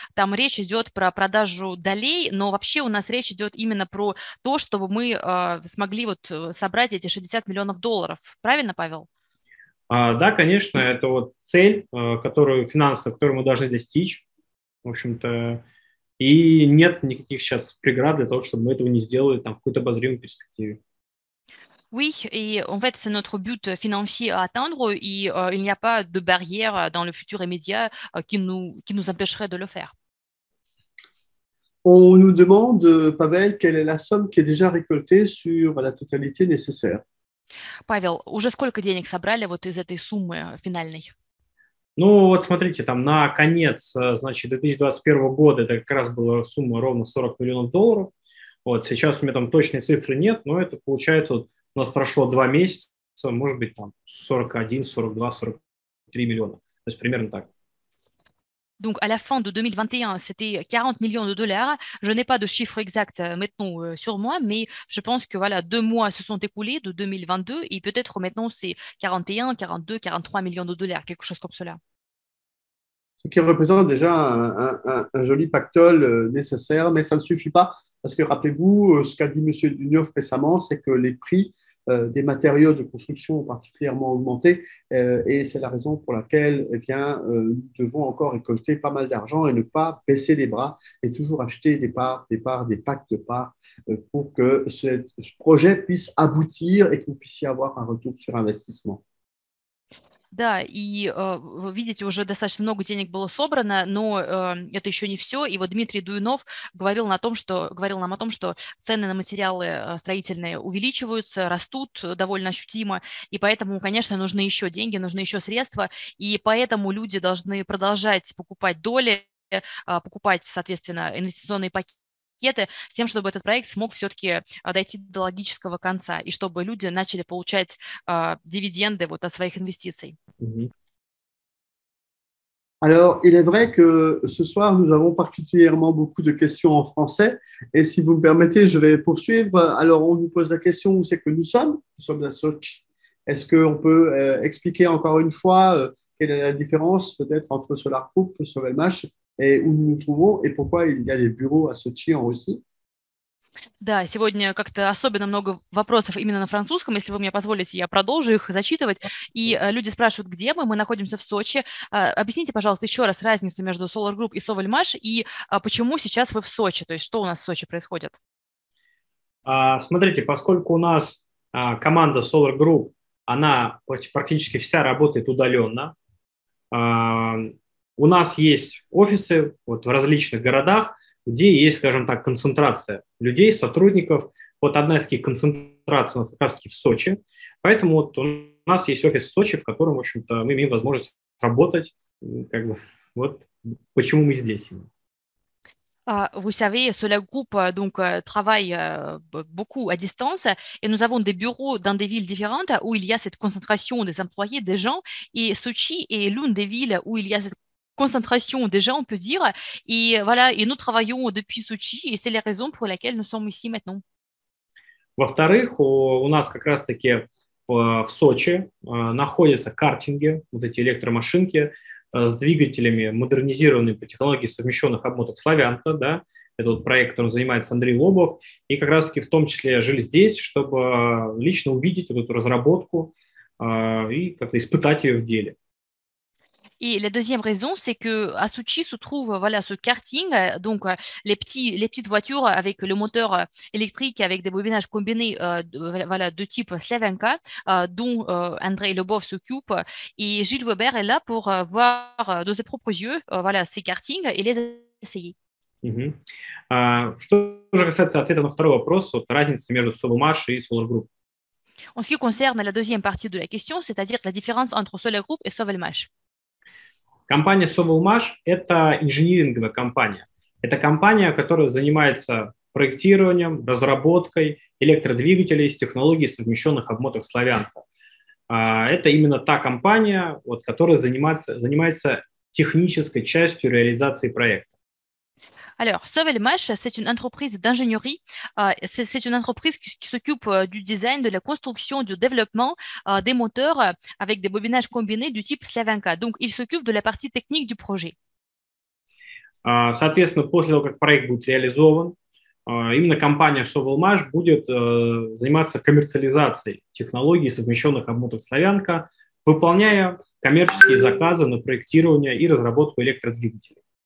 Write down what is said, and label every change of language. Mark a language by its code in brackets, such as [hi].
[ru] Там речь идет про продажу долей, но вообще у нас речь идет именно про то, чтобы мы смогли вот собрать эти 60 миллионов долларов. Правильно, Павел? Да, конечно, это вот цель, которую финансовую, которую мы должны достичь, в общем-то. И нет никаких сейчас преград для того, чтобы мы этого не сделали там, в какой-то обозримой перспективе. [fr] Oui, et en fait, c'est notre but financier à atteindre et il n'y a pas de barrière dans le futur immédiat qui nous empêcherait de le faire. On nous demande, Pavel, quelle est la somme qui est déjà récoltée sur la totalité nécessaire? [ru] Pavel, уже сколько денег собрали вот из этой суммы финальной? Ну, вот смотрите, там на конец, значит, 2021 года это как раз была сумма ровно 40 миллионов долларов. Вот сейчас у меня там точной цифры нет, но это получается вот у нас прошло 2 месяца, может быть, там 41, 42, 43 3 миллиона. То есть примерно так. [fr] Donc, à la fin de 2021, c'était 40 millions de dollars. Je n'ai pas de chiffre exact maintenant sur moi, mais je pense que voilà, deux mois se sont écoulés de 2022 et peut-être maintenant c'est 41, 42, 43 millions de dollars, quelque chose comme cela. Ce qui représente déjà un joli pactole nécessaire, mais ça ne suffit pas. Parce que rappelez-vous, ce qu'a dit M. Dunioff récemment, c'est que les prix des matériaux de construction ont particulièrement augmenté et c'est la raison pour laquelle eh bien, nous devons encore récolter pas mal d'argent et ne pas baisser les bras et toujours acheter des parts, des packs de parts pour que ce projet puisse aboutir et que vous puissiez avoir un retour sur investissement. [ru] Да, и вы видите, уже достаточно много денег было собрано, но это еще не все. И вот Дмитрий Дуйнов говорил нам о том, что цены на материалы строительные увеличиваются, растут довольно ощутимо, и поэтому, конечно, нужны еще деньги, нужны еще средства, и поэтому люди должны продолжать покупать доли, покупать, соответственно, инвестиционные пакеты с тем, чтобы этот проект смог все-таки дойти до логического конца, и чтобы люди начали получать дивиденды вот, от своих инвестиций. [fr] Alors, il est vrai que ce soir, nous avons particulièrement beaucoup de questions en français. Et si vous me permettez, je vais poursuivre. Alors, on nous pose la question, où c'est que nous sommes? Nous sommes à Sochi. Est-ce qu'on peut expliquer encore une fois quelle est la différence peut-être entre Solar Group, Sovelmash et où nous nous trouvons et pourquoi il y a des bureaux à Sochi en Russie? [ru] Да, сегодня как-то особенно много вопросов именно на французском. Если вы мне позволите, я продолжу их зачитывать. И люди спрашивают, где мы? Мы находимся в Сочи. Объясните, пожалуйста, еще раз разницу между Solar Group и Sovelmash, и почему сейчас вы в Сочи? То есть что у нас в Сочи происходит? Смотрите, поскольку у нас команда Solar Group, она практически вся работает удаленно. У нас есть офисы вот, в различных городах, где есть, скажем так, концентрация людей, сотрудников. Вот одна из таких концентраций у нас как раз-таки в Сочи. Поэтому вот у нас есть офис в Сочи, в котором, в общем-то, мы имеем возможность работать. Как бы, вот почему мы здесь. [fr] Vous savez, Solar Group donc, travaille beaucoup à distance et nous avons des bureaux dans des villes différentes où il y a cette concentration des employés, des gens. Et Sochi est l'une des villes où il y a cette concentration déjà, on peut dire. Et voilà, et nous travaillons depuis Sochi et c'est la raison pour laquelle nous sommes ici maintenant. [ru] Во-вторых, у нас как раз-таки в Сочи находятся картинги, вот эти электромашинки с двигателями, модернизированными по технологии совмещенных обмоток Славянка, да, это вот проект, которым занимается Андрей Лобов, и как раз-таки в том числе жили здесь, чтобы лично увидеть вот эту разработку и как-то испытать ее в деле. [fr] Et la deuxième raison, c'est qu'à Sochi se trouve voilà, ce karting, donc les petites voitures avec le moteur électrique, avec des bobinages combinés voilà, de type Slavenka, dont André Lobov s'occupe. Et Gilles Weber est là pour voir de ses propres yeux voilà, ces kartings et les essayer. Mm-hmm. [ru] Что же касается ответа на второй вопрос, вот разница между Sovelmash и Solar Group? [fr] En ce qui concerne la deuxième partie de la question, c'est-à-dire la différence entre Solar Group et Sovelmash. [ru] Компания Sovelmash – это инжиниринговая компания. Это компания, которая занимается проектированием, разработкой электродвигателей с технологией совмещенных обмоток Славянка. Это именно та компания, вот, которая занимается технической частью реализации проекта. [fr] Alors, Sovelmash, c'est une entreprise d'ingénierie. C'est une entreprise qui s'occupe du design, de la construction, du développement des moteurs avec des bobinages combinés du type Slavenka. Donc, il s'occupe de la partie technique du projet. [ru] Соответственно, после того, как проект будет реализован, именно компания Sovelmash будет заниматься коммерциализацией технологий совмещенных обмоток Славянка, выполняя коммерческие заказы на проектирование и разработку электродвигателей.